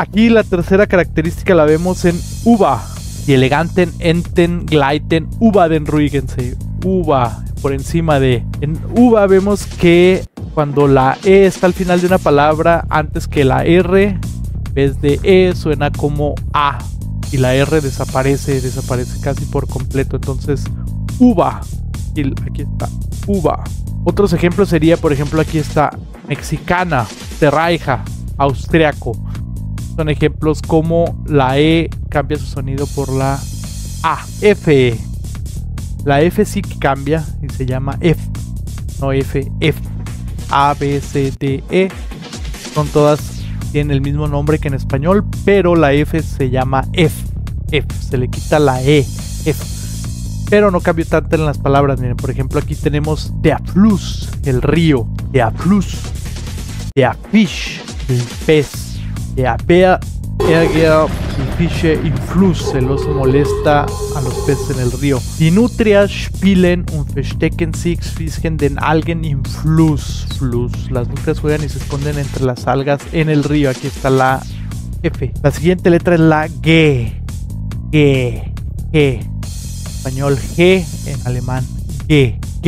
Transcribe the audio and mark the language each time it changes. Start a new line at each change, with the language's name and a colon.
Spanish: Aquí la tercera característica la vemos en uva.
German: Die eleganten enten gleiten über den Ruigensee.
Spanish: Uva, por encima de. En uva vemos que cuando la E está al final de una palabra, antes que la R, en vez de E suena como A. Y la R desaparece casi por completo. Entonces, uva. Y aquí está, uva. Otros ejemplos sería, por ejemplo, aquí está mexicana, terraija, austriaco. Son ejemplos como la E cambia su sonido por la A. F. La F sí que cambia y se llama F. No F, F. A, B, C, D, E. Son todas, tienen el mismo nombre que en español, pero la F se llama F. F. Se le quita la E. F. Pero no cambio tanto en las palabras. Miren, por ejemplo, aquí tenemos der Fluss, el río.
German: Der Fluss. Der Fisch, el pez. Der Bär ärgert die Fische im Fluss.
Spanish: El oso molesta a los peces en el río.
German: Die Nutria spielen und verstecken sich zwischen den Algen im Fluss. Fluss.
Spanish: Las nutrias juegan y se esconden entre las algas en el río. Aquí está la F. La siguiente letra es la G. G. G. Español G, en alemán G.